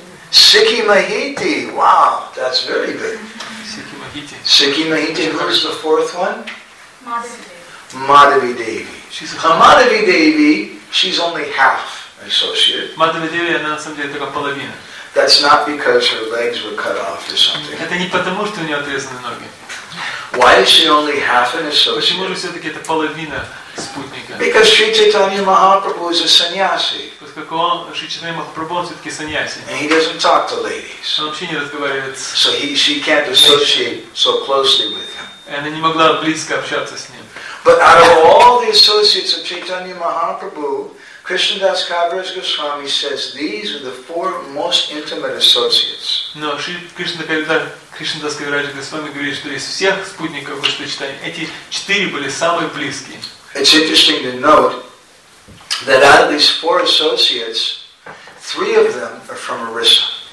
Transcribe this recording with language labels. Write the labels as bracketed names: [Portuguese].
[English] Sikhi Mahiti. Wow, that's very good. Sikhi Mahiti. Sikhi Mahiti, who's the fourth one? Madhavi Devi. Madhavi Devi, she's only half associate. [Russian] Madhavi Devi, она на самом деле только половина. [English] That's not because her legs were cut off or something. [Russian] Это не потому, что у нее отрезаны ноги. [English] Why is she only half an associate? [Russian] Почему же все-таки это половина спутника? [English] Because Sri Chaitanya Mahaprabhu is a sannyasi. [Russian] Поскольку он Sri Chaitanya Mahaprabhu все-таки сannyasi. [English] And he doesn't talk to ladies. [Russian] Он вообще не разговаривает. [English] So she can't associate so closely with him. [Russian] И она не могла близко общаться с ним. [English] But out of all the associates of Chaitanya Mahaprabhu, Krishnadas Kaviraj Goswami says these are the four most intimate associates. [Russian] Но Кришнадас Кавираджа Госвами говорит, что из всех спутников Господа Чайтаньи эти четыре были самые близкие. [English] It's interesting to note that out of these four associates, three of them are from Orissa.